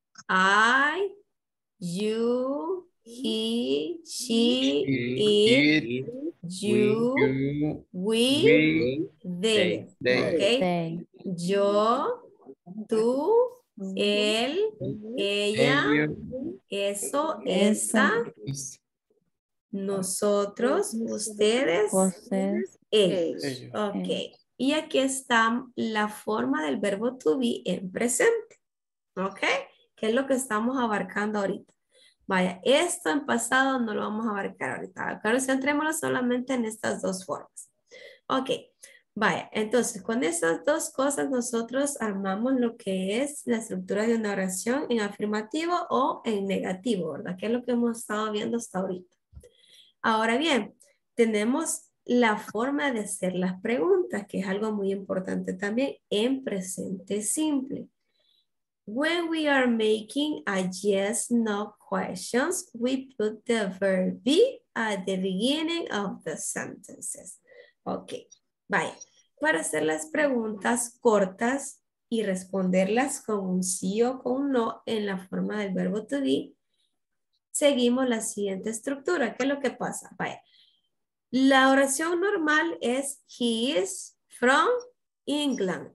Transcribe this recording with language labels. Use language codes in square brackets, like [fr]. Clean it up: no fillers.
[en] I, you, he, she, it, you, we, they, okay? [es] Yo, tú, él, ella, eso, esa, nosotros, ustedes, ellos, okay. Y aquí está la forma del verbo to be en presente, okay? ¿Qué es lo que estamos abarcando ahorita? Vaya, esto en pasado no lo vamos a abarcar ahorita. Claro, centrémoslo solamente en estas dos formas. Ok, vaya. Entonces, con estas dos cosas nosotros armamos lo que es la estructura de una oración en afirmativo o en negativo, ¿verdad? Que es lo que hemos estado viendo hasta ahorita. Ahora bien, tenemos la forma de hacer las preguntas, que es algo muy importante también, en presente simple. [en] When we are making a yes, no questions, we put the verb be at the beginning of the sentences. [es] Ok, vaya. Para hacer las preguntas cortas y responderlas con un sí o con un no en la forma del verbo to be, seguimos la siguiente estructura. ¿Qué es lo que pasa? Vaya. La oración normal es [en] he is from England.